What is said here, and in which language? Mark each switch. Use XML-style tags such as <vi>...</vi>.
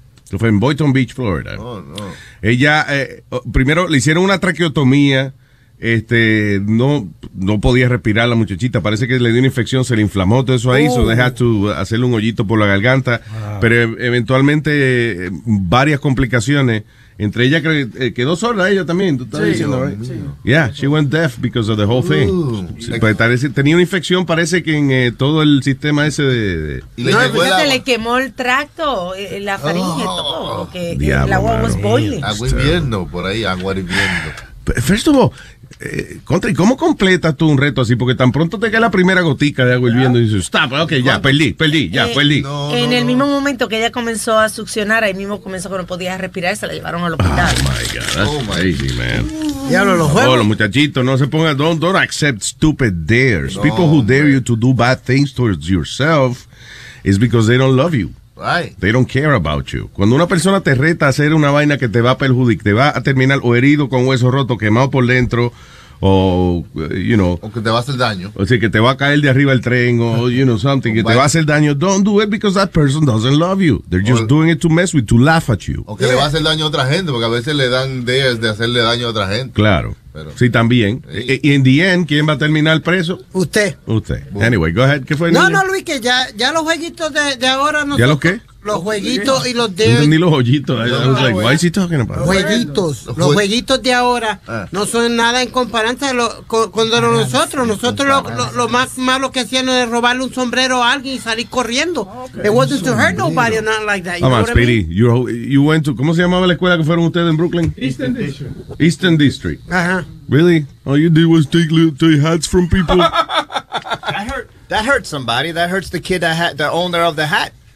<es>Esto fue en Boynton Beach, Florida. Ella, primero le hicieron una traqueotomía. No podía respirar la muchachita, parece que le dio una infección, se le inflamó todo eso ahí,</es> <en>so they had to</en> <es>hacerle un hoyito por la garganta, pero eventualmente varias complicaciones, entre ellas que quedó sorda ella también, tú estás diciendo, right?</es> <en>Yeah, she went deaf because of the whole thing.</en> <es>Tenía una infección, parece que en todo el sistema ese de no, pues se le quemó el tracto, la faringe, todo, porque el agua</es> <en>was boiling.</en> <es>Agua hirviendo por ahí, agua hirviendo.</es> <en>First of all,</en> <es>contra, ¿y cómo completas tú un reto así? Porque tan pronto te cae la primera gotica de agua hirviendo y dices,</es> <en>stop, ok,</en> <es>ya, perdí. En el mismo momento que ella comenzó a succionar, ahí mismo comenzó que no podía respirar, se la llevaron al hospital.</es> <en>Oh, my God, that's crazy, man.</en> <es>Diablo, los juegos. Oh, los muchachitos, no se pongan,</es> <en>don't accept stupid dares. No, people who dare you to do bad things towards yourself is because they don't love you. Right. They don't care about you.</en> <es>Cuando una persona te reta a hacer una vaina que te va a perjudicar, te va a terminar o herido con hueso roto, quemado por dentro, o, you know. O que te va a hacer daño. O sea, que te va a caer de arriba el tren, o,</es> <en>you know, something,</en> <es>que te va a hacer daño.</es> <en>Don't do it because that person doesn't love you. They're just doing it to mess with, to laugh at you.</en> <es>O que le va a hacer daño a otra gente, porque a veces le dan ideas de hacerle daño a otra gente. Claro. Pero, sí, también. Y en</es> <en>the end,</en> <es>¿quién va a terminar preso? Usted.</es> <en>Anyway, go ahead.</en> <es>¿Qué fue? No, Luis, que ya los jueguitos de ahora no. ¿Ya los qué? Los jueguitos y los de hoy. No, ni los hoyitos. No,</es> <en>like, why is he talking about?</en> <es>Jueguitos. Los jueguitos de ahora no son nada en comparanza de con nosotros. Nosotros lo más malo que hacíamos era robarle un sombrero a alguien y salir corriendo.</es> <en>It wasn't to hurt nobody or not like that. Come on, Speedy. You went to,</en> <es>¿cómo se llamaba la escuela que fueron ustedes en Brooklyn?</es> <en>Eastern District. Uh-huh. Really? All you did was take hats from people. That hurt somebody. That hurts the kid the owner of the hat.</en>